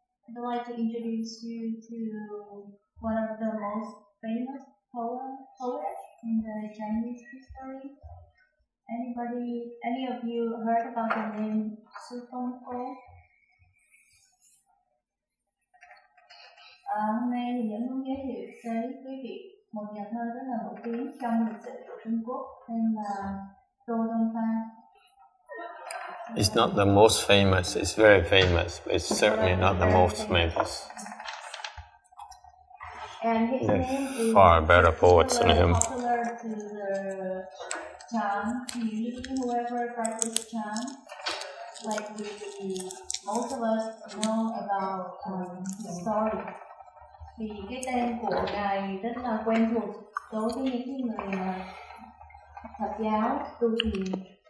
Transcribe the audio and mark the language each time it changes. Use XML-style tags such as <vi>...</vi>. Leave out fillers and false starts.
<en>I'd like to introduce you to one of the most famous poets in the Chinese history. Any of you heard about the name Su Feng Po?</en> <vi>Hôm nay thì mình muốn giới thiệu tới quý vị một nhà thơ rất là nổi tiếng trong lịch sử của Trung Quốc tên là Zhou Dongfang.</vi> <en>It's not the most famous, it's very famous, but it's certainly not the most famous. And his name is far better poets than him. Popular to the Chan community, whoever practices Chan, like we, most of us know about the story.</en> <vi>Thì cái tên của ngài rất là quen thuộc đối với những người Phật giáo tu thiền.</vi>